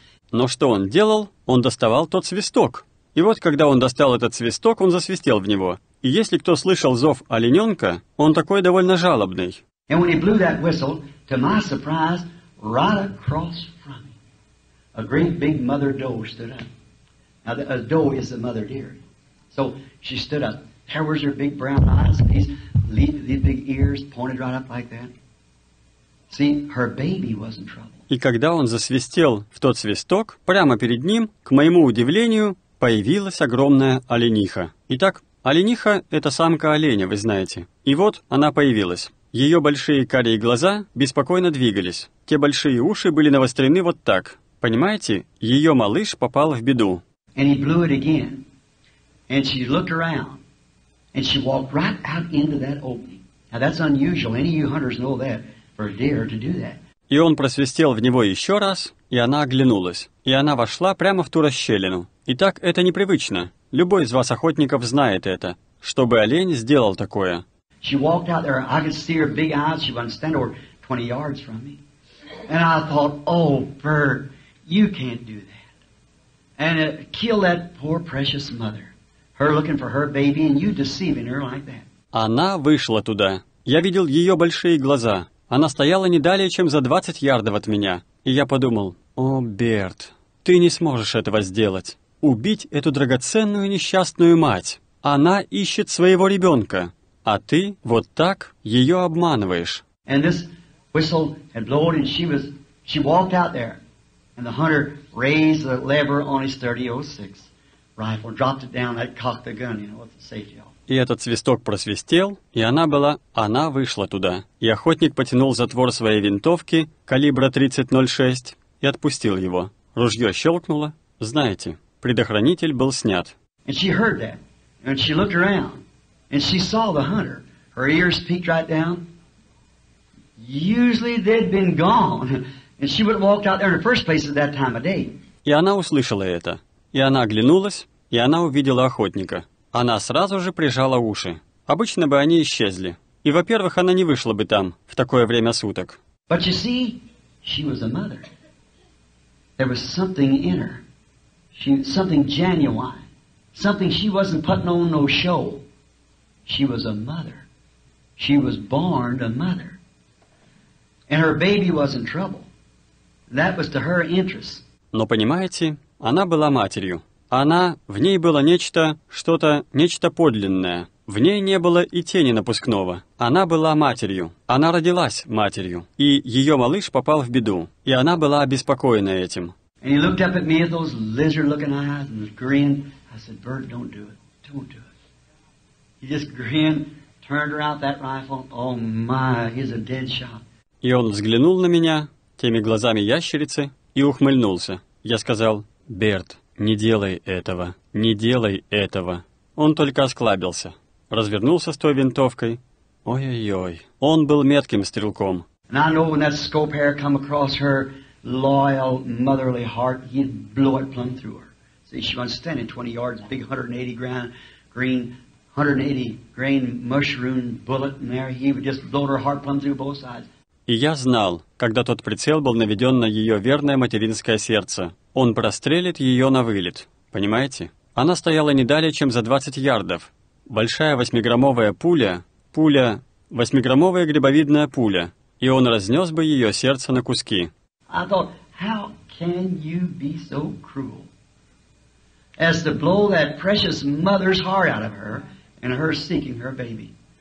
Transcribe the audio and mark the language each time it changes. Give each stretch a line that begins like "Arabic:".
Russian: Но что он делал? Он доставал тот свисток. И вот, когда он достал этот свисток, он засвистел в него. И если кто слышал зов олененка, он такой довольно жалобный.
English: And when he blew that whistle, to my surprise, right across from him, a great big mother doe stood up. Now, a doe is a mother deer. So, she stood up. There was her big brown eyes, these big ears pointed right up like that. See, her baby was in trouble.
Russian: И когда он засвистел в тот свисток, прямо перед ним, к моему удивлению, появилась огромная олениха. Итак, олениха – это самка оленя, вы знаете. И вот она появилась. Ее большие карие глаза беспокойно двигались. Те большие уши были навострены вот так. Понимаете, ее малыш попал в беду.
English: And he blew it again. And she looked around. And she walked right out into that opening. Now that's unusual. Any of you hunters know that for a deer to do that.
Russian: И он просвистел в него еще раз, и она оглянулась. И она вошла прямо в ту расщелину. Итак, это непривычно. Любой из вас охотников знает это. Чтобы олень сделал такое.
English: She walked out there. I could see her big eyes. She wouldn't stand over 20 yards from me. And I thought, oh, Bert, you can't do that. And kill that poor precious mother. Her looking for her baby and you deceiving her like that.
Russian: Она вышла туда. Я видел ее большие глаза. Она стояла не далее, чем за 20 ярдов от меня. И я подумал, о, Берт, ты не сможешь этого сделать. Убить эту драгоценную несчастную мать. Она ищет своего ребенка. А ты вот так ее обманываешь.
English: And this whistle had blown and she walked out there. And the hunter raised the lever on his 30-06 rifle, dropped it down, that cocked the gun, you know, with the safety off.
Russian: И этот свисток просвистел, и она вышла туда. И охотник потянул затвор своей винтовки калибра 30-06 и отпустил его. Ружье щелкнуло. Знаете, предохранитель был снят.
English: And she heard that, and she looked around, and she saw the hunter. Her ears peeked right down. Usually they'd been gone, and she would have walked out there in the first place at that time of day.
Russian: И она услышала это. И она оглянулась, и она увидела охотника. Она сразу же прижала уши. Обычно бы они исчезли. И, во-первых, она не вышла бы там в такое время суток.
English: But you see, she was a mother. There was something in her. She, something genuine. Something she wasn't putting on no show. She was a mother. She was born a mother. And her baby was in trouble. That was to her interest.
Russian: Но, понимаете, она была матерью. Она, в ней было нечто, что-то, нечто подлинное. В ней не было и тени напускного. Она была матерью. Она родилась матерью. И ее малыш попал в беду. И она была обеспокоена этим.
English: And he looked up at me with those lizard-looking eyes and grinned. I said, Bert, don't do it. Don't do it. He just grinned, turned around that rifle. Oh my, he's a dead shot.
Russian: И он взглянул на меня теми глазами ящерицы и ухмыльнулся. Я сказал, Берт, не делай этого, не делай этого. Он только осклабился, развернулся с той винтовкой. Ой-ой-ой, он был метким стрелком.
English: And I know when that scope hair come across her loyal, motherly heart, he'd blow it plumb through her. See, she was standing 20 yards, big 180 grain, 180 grain mushroom bullet in there. He would just blow her heart plumb through both sides.
Russian: И я знал, когда тот прицел был наведен на ее верное материнское сердце. Он прострелит ее на вылет. Понимаете? Она стояла не далее, чем за 20 ярдов. Большая восьмиграммовая пуля, восьмиграммовая грибовидная пуля. И он разнес бы ее сердце на куски.
English: I thought, how can you be so cruel as to blow that precious mother's heart out of her and her seeking her baby?